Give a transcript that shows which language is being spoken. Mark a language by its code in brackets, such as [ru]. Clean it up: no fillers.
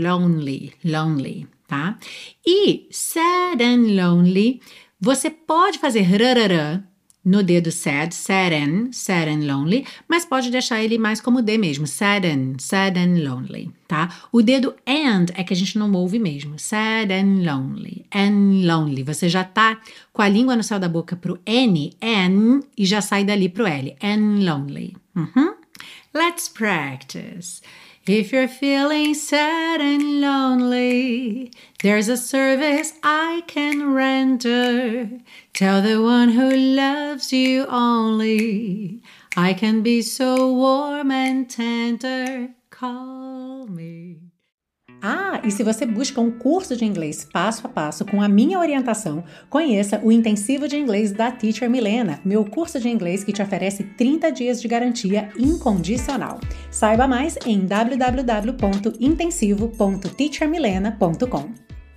[pt] Lonely, lonely, tá? E [en] sad and lonely, [pt] você pode fazer rarara no dedo sad, [en] sadden, sadden lonely, [pt] mas pode deixar ele mais como D mesmo, sadden, sadden lonely, tá? O dedo and é que a gente não ouve mesmo, [en] sadden lonely, and lonely. [pt] Você já tá com a língua no céu da boca pro N, N, e já sai dali pro L, [en] and lonely. Let's practice. If you're feeling sad and lonely, there's a service I can render. Tell the one who loves you only, I can be so warm and tender. Call me. [pt] Ah, e se você busca um curso de inglês passo a passo com a minha orientação, conheça o Intensivo de Inglês da Teacher Milena, meu curso de inglês que te oferece 30 dias de garantia incondicional. Saiba mais em www.intensivo.teachermilena.com.